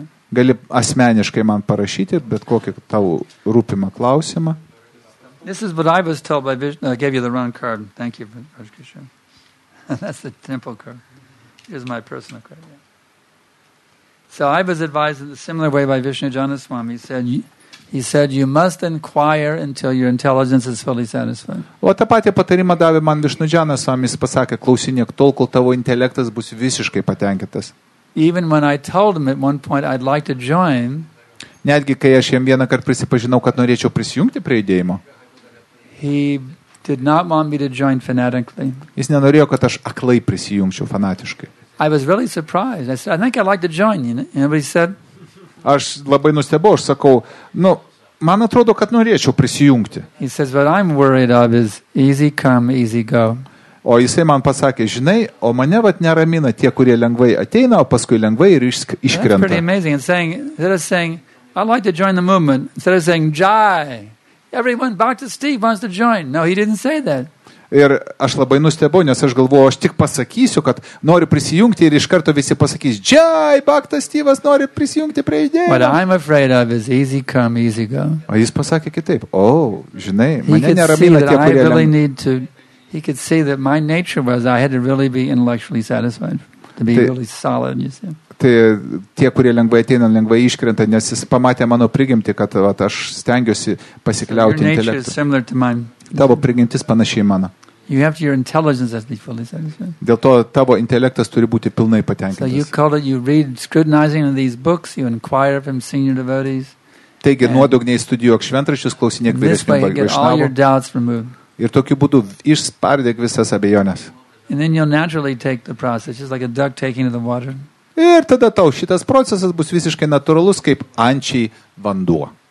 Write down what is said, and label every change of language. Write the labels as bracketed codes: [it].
[lt] Gali asmeniškai man parašyti bet kokį tau rūpimą klausimą. [en] This is what I was told by Vishnu. I gave you the wrong card. Thank you, Rajkisha. That's the temple card. Here's my personal card. So I was advised in a similar way by Vishnu Janaswami. He said, you must inquire until your intelligence is fully satisfied. [lt] O tą patį patarimą davė man Vishnu Janaswami, jis pasakė, klausinėk tol, kol tavo intelektas bus visiškai patenkintas. [en] Even when I told him at one point I'd like to join, [lt] netgi kai aš jam vieną kartą prisipažinau, kad norėčiau prisijungti prie judėjimo, [en] he did not want me to join fanatically. [lt] Jis nenorėjo, kad aš aklai prisijungčiau fanatiškai. [en] I was really surprised. I said, I think I'd like to join, you know? And he said, [lt] aš labai nustebau, aš sakau, nu, man atrodo, kad norėčiau prisijungti. [en] He says, what I'm worried of is easy come, easy go. [lt] O jisai man pasakė, žinai, o mane vat neramina tie, kurie lengvai ateina, o paskui lengvai ir iškrenta. [en] That's pretty amazing. Instead of saying, I'd like to join the movement, instead of saying, Jai, everyone, Bhakti Steve wants to join. No, he didn't say that. [lt] Ir aš labai nustebau, nes aš galvoju, aš tik pasakysiu, kad noriu prisijungti ir iš karto visi pasakys, džiai, Baktas Tyvas nori prisijungti prie idėjų. [en] What I'm afraid of is easy come, easy go. [lt] O jis pasakė kitaip, o, žinai, mane neramina tie, kurie... [en] He could see that my nature was, I had to really be intellectually satisfied, to be really solid, you see. [lt] Tai tie, kurie lengvai ateina, lengvai iškrenta, nes jis pamatė mano prigimtį, kad vat, aš stengiuosi pasikliauti intelektu. Tavo prigimtis panašiai mano. Dėl to tavo intelektas turi būti pilnai patenkintas. Taigi, nuodugniai studijuok šventraščius, klausinėk vyresnių vaišnavų. Ir tokiu būdu išspardyk visas abejonės. [en] And then you'll naturally take the process, just like a duck taking to the water. [lt] Ir tada tau šitas procesas bus visiškai natūralus, kaip ančiai vanduo.